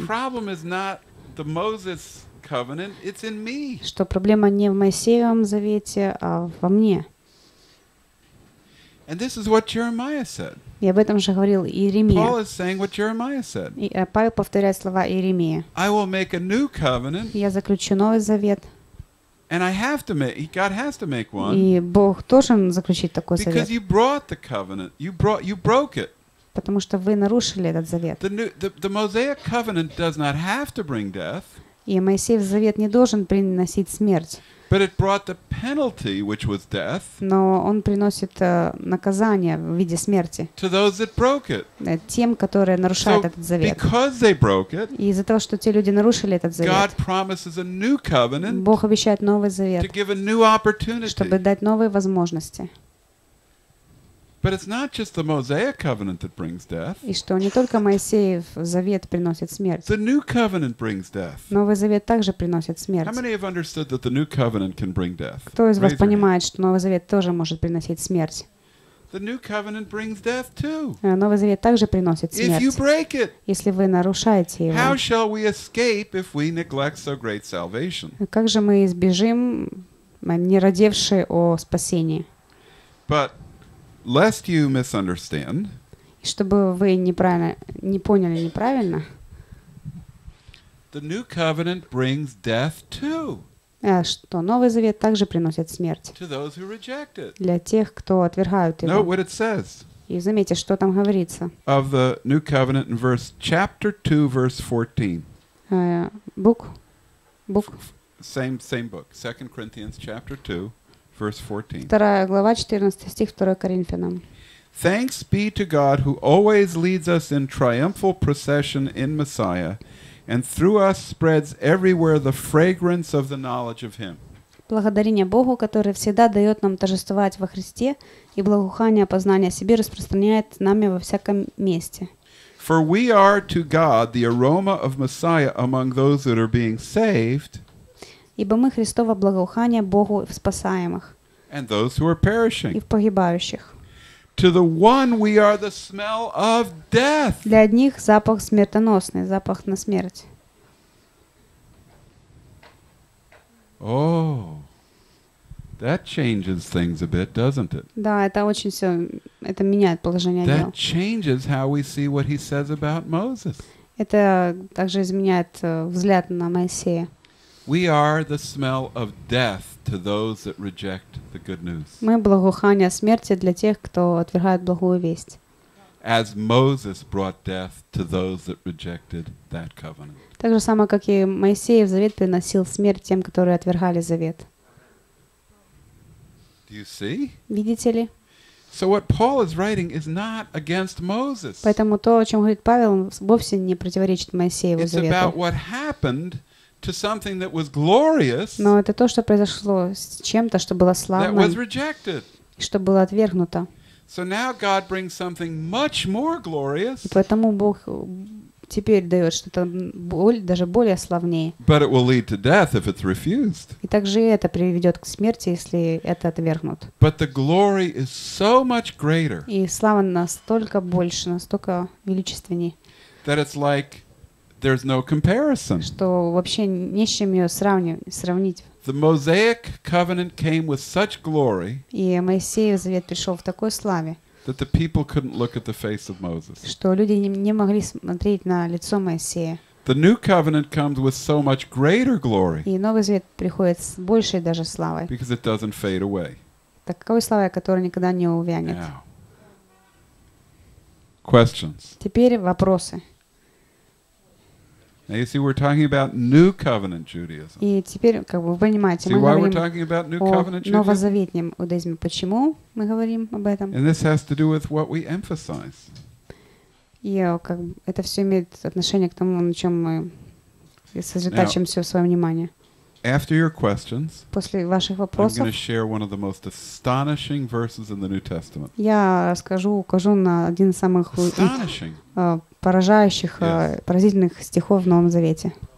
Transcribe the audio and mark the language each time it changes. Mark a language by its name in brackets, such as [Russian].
[English] The problem is not the Moses covenant, it's in me. [Russian] Что проблема не в Моисеевом завете, а во мне. [English] And this is what Jeremiah said. [Russian] И об этом же говорил Иеремия. [English] Paul is saying what Jeremiah said. [Russian] И Павел повторяет слова Иеремии. [English] I will make a new covenant. [Russian] Я заключу новый завет. [English] And I have to make, God has to make one. [Russian] И Бог должен заключить такой завет. [English] Because you brought the covenant, you broke it. [Russian] Потому что вы нарушили этот завет. [English] The Mosaic covenant does not have to bring death. [Russian] И Моисеев завет не должен приносить смерть. [English] But it brought the penalty, which was death. [Russian] Но он приносит наказание в виде смерти. [English] To those that broke it. [Russian] Тем, которые нарушают этот завет. [English] Because they broke it. [Russian] И из-за того, что те люди нарушили этот завет. [English] God promises a new covenant. [Russian] Бог обещает новый завет. [English] To give a new opportunity. [Russian] Чтобы дать новые возможности. [English] But it's not just the Mosaic covenant that brings death. [Russian] И что не только Моисеев завет приносит смерть. [English] The new covenant brings death. [Russian] Новый завет также приносит смерть. [English] How many have understood that the new covenant can bring death? [Russian] Кто из вас понимает, что новый завет тоже может приносить смерть? [English] The new covenant brings death too. [Russian] Новый завет также приносит смерть. [English] If you break it. [Russian] Если вы нарушаете его. [English] How shall we escape if we neglect so great salvation? [Russian] Как же мы избежим, не родивши о спасении? [English] But lest you misunderstand. [Russian] Чтобы вы неправильно не поняли неправильно. [English] The new covenant brings death too. [Russian] Что новый завет также приносит смерть. [English] To those who reject it. [Russian] Для тех, кто отвергают его. [English] Note what it says. [Russian] И заметьте, что там говорится. [English] Of the new covenant in verse chapter 2, verse 14. Book. Same book. 2 Corinthians chapter 2. Verse 14. [Russian] Вторая глава, 14 стих, 2 Коринфянам. [English] Thanks be to God who always leads us in triumphal procession in Messiah and through us spreads everywhere the fragrance of the knowledge of him. [Russian] Благодарение Богу, который всегда дает нам торжествовать во Христе и благоухание познания себе распространяет нами во всяком месте. [English] For we are to God the aroma of Messiah among those that are being saved. [Russian] Ибо мы Христово благоухание Богу в спасаемых [English] and those who are perishing. [Russian] И в погибающих. [English] To the one we are the smell of death. [Russian] Для одних запах смертоносный, запах на смерть. [English] Oh, that changes things a bit, doesn't it? [Russian] Да, это очень все, это меняет положение дел. [English] That changes how we see what he says about Moses. [Russian] Это также изменяет взгляд на Моисея. [English] We are the smell of death to those that reject the good news. [Russian] Мы благоухание смерти для тех, кто отвергает благую весть. [English] As Moses brought death to those that rejected that covenant. [Russian] Так же само, как и Моисей в завет приносил смерть тем, которые отвергали завет. [English] Do you see? [Russian] Видите ли? [English] So what Paul is writing is not against Moses. [Russian] Поэтому то, о чем говорит Павел, вовсе не противоречит Моисееву завету. [English] It's about what happened. To something that was glorious. [Russian] Но это то, что произошло с чем-то, что было славным. [English] That was rejected. [Russian] Что было отвергнуто. [English] So now God brings something much more glorious. [Russian] И поэтому Бог теперь дает что-то даже более славнее. [English] But it will lead to death if it's refused. [Russian] И также это приведет к смерти, если это отвергнут. [English] But the glory is so much greater. [Russian] И слава настолько больше, настолько величественней. [English] That it's like there's no comparison. [Russian] Что вообще не с чем ее сравнить. [English] The Mosaic covenant came with such glory. [Russian] И Моисеев завет пришел в такой славе. [English] That the people couldn't look at the face of Moses. [Russian] Что люди не могли смотреть на лицо Моисея. [English] The new covenant comes with so much greater glory. [Russian] И новый завет приходит с большей даже славой. [English] Because it doesn't fade away. [Russian] Такой славой, которая никогда не увянет. [English] Now. Questions. [Russian] Теперь вопросы. [English] Now you see, we're talking about New Covenant Judaism. [Russian] И теперь, как бы, вы понимаете, [English] see, [Russian] мы говорим [English] we're talking about New Covenant [Russian] о новозаветнем иудаизме. Почему мы говорим об этом? [English] And this has to do with what we emphasize. [Russian] И как бы, это все имеет отношение к тому, на чем мы сосредотачиваем все свое внимание. [English] After your questions, [Russian] после ваших вопросов, [English] I'm going to share one of the most astonishing verses in the New Testament. [Russian] Я расскажу, укажу на один из самых [English] astonishing. [Russian] Поражающих, [English] yes. [Russian] Поразительных стихов в Новом Завете.